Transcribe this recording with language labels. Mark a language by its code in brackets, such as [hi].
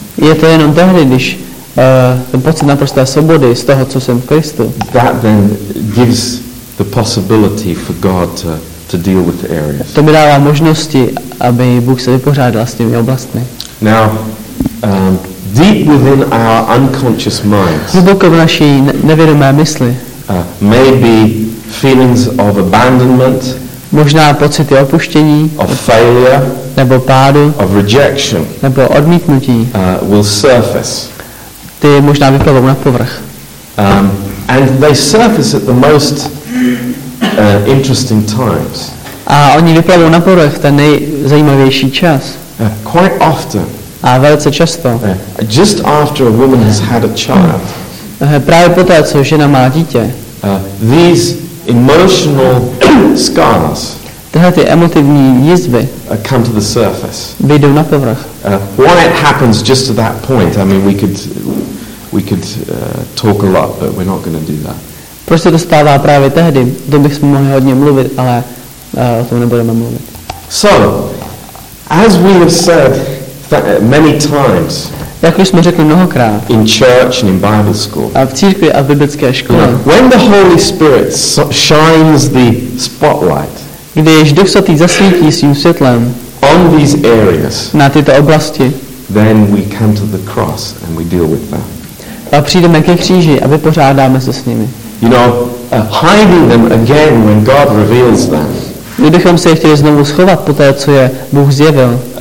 [cs] Je to jenom tehdy, když ten pocit naprosté svobody z toho, co jsem v Kristu. [en] That then gives the possibility for God to deal with the areas. [cs] To mi dává možnosti, aby Bůh se vypořádal s těmi oblastmi. [en] Now, deep within our unconscious minds. [cs] Hluboko v naší nevědomé mysli. [en] Maybe feelings of abandonment. [cs] Možná pocity opuštění. [en] Of failure. [cs] Nebo pádu. [en] Of rejection. [cs] Nebo odmítnutí. [en] Will surface. [cs] Ty možná vyplavou na povrch. [en] And they surface at the most interesting times. [cs] A oni vyplavou na povrch ten nejzajímavější čas. [en] Quite often. [cs] A velice často. [en] Just after a woman has had a child. [cs] Právě poté, co žena má dítě. [en] These emotional scars. [cs] Tyhle ty emotivní jizvy. [en] Come to the surface. [cs] Vyjdou na povrch. [en] Why it happens just at that point? I mean, we could talk a lot, but we're not going to do that. [cs] Proč se to stává právě tehdy? O tom bychom mohli hodně mluvit, ale o tom nebudeme mluvit. [en] So, as we have said many times. [cs] Jak už jsme řekli mnohokrát. [en] In church and in Bible school. [cs] A v církvi a v biblické škole. [en] When the Holy Spirit shines the spotlight. [cs] Když Duch Svatý zasvítí svým světlem. [en] On these areas. [cs] Na tyto oblasti. [en] Then we come to the cross and we deal with them. [cs] A přijdeme ke kříži a vypořádáme se s nimi. [en] You know, hiding them again when God reveals them. [cs] Kdybychom se chtěli znovu schovat po té, co je Bůh zjevil.